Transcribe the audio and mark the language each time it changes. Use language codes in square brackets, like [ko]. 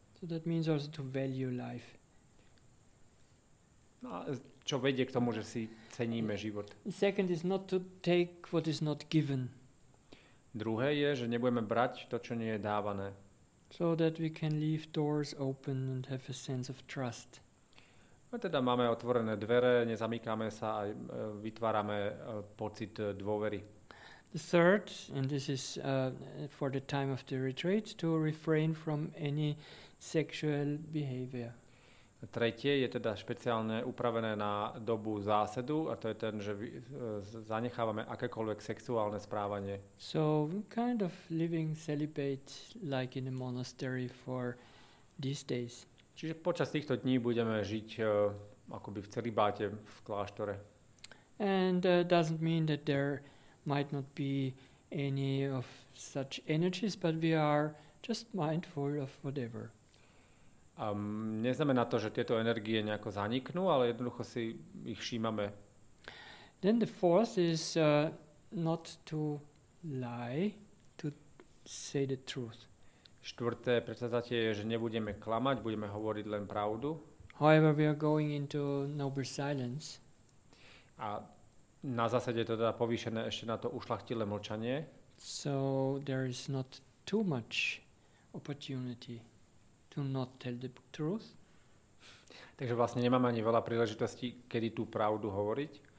[en] So that means also to value life. [sk] No, čo vedie k tomu, že si ceníme život. [en] Second is not to take what is not given. [sk] Druhé je, že nebudeme brať to, čo nie je dávané. [en] So that we can leave doors open and have a sense of trust. [sk] A teda máme otvorené dvere, nezamykáme sa a vytvárame pocit dôvery. [en] The third, and this is for the time of the retreat, to refrain from any sexual behavior. [sk] Tretie je teda špeciálne upravené na dobu zásedu, a to je ten, že zanechávame akékoľvek sexuálne správanie. [en] So kind of living celibate like in a monastery for these days. [sk] Čiže počas týchto dní budeme žiť akoby v celibáte v kláštore. [en] And doesn't mean that there might not be any of such energies, but we are just mindful of whatever. [sk] Neznamená to, že tieto energie nejako zaniknú, ale jednoducho si ich všímame. [en] Then the fourth is not to lie, to say the truth. [sk] Štvrté predsavzatie je, že nebudeme klamať, budeme hovoriť len pravdu. [en] However, we are going into noble silence. [sk] A na zásade je to teda povýšené ešte na to ušlachtilé mlčanie. [en] So there is not too much opportunity to not tell the truth. [sk] Takže vlastne nemám ani veľa príležitostí, kedy tú pravdu hovoriť.